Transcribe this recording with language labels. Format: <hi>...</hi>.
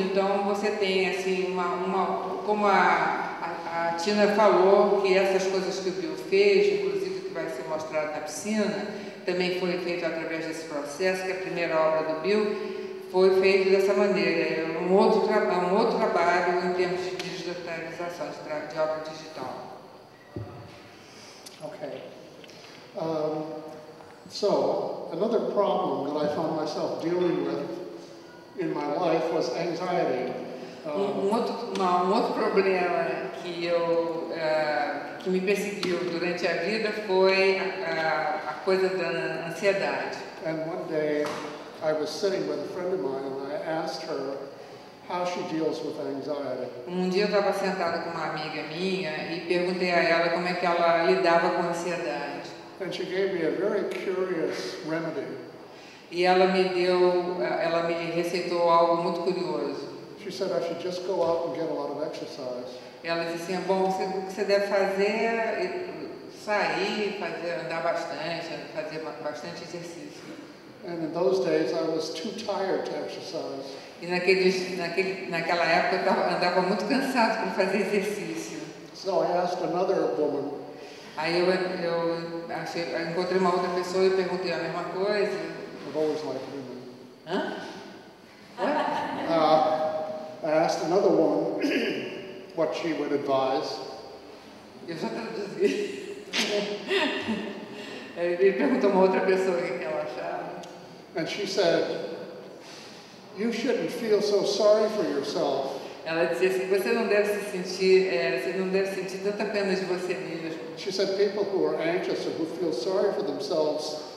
<pt>Então você tem assim, como a Tina falou, que essas coisas que o Bill fez, inclusive que vai ser mostrado na piscina, também foi feito através desse processo, que a primeira obra do Bill foi feita dessa maneira. Um outro trabalho em termos de digitalização, de obra digital. Ok.</pt> <en>So, another problem that I found myself dealing with in my life was anxiety.</en> <pt>Um outro problema que me perseguiu durante a vida foi a coisa da ansiedade.</pt> <en>And one day I was sitting with a friend of mine and I asked her how she deals with anxiety.</en> <pt>Um dia eu estava sentada com uma amiga minha e perguntei a ela como é que ela lidava com a ansiedade.</pt> <en>And she gave me a very curious remedy.</en> <pt>E ela me deu, ela me receitou algo muito curioso.</pt> <en>She said I should just go out and get a lot of exercise.</en> <pt>Ela disse assim, bom, o que você deve fazer é sair, andar bastante, fazer bastante exercício.</pt> <en>And in those days I was too tired to exercise.</en> <pt>E naquela época eu andava muito cansado para fazer exercício.</pt> <en>So I asked another woman.</en> <pt>Aí eu encontrei uma outra pessoa e perguntei a mesma coisa.</pt> <en>I've always liked women. Huh? I asked another woman what she would advise.</en> <pt>Eu já traduzi. Ele perguntou uma outra pessoa o que ela achava.</pt> <en>And she said, "You shouldn't feel so sorry for yourself."</en> <pt>Ela disse assim, você não deve se sentir, você não deve sentir tanta pena de você mesmo.</pt> <en>She said, "People who are anxious or who feel sorry for themselves</en>